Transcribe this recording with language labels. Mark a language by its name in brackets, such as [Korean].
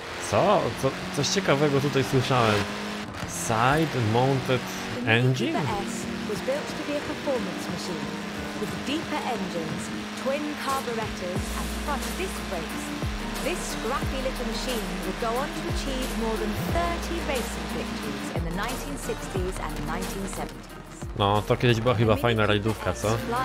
[Polish] Co? Coś ciekawego tutaj słyszałem. [English] side-mounted engine? The Deeper S was built to be a performance machine. With deeper engines, twin carburetors, and front disc brakes, this scrappy little machine would go on to achieve more than 30 racing victories in the 1960s and 1970s. [Polish] No, to kiedyś była chyba fajna rajdówka, co?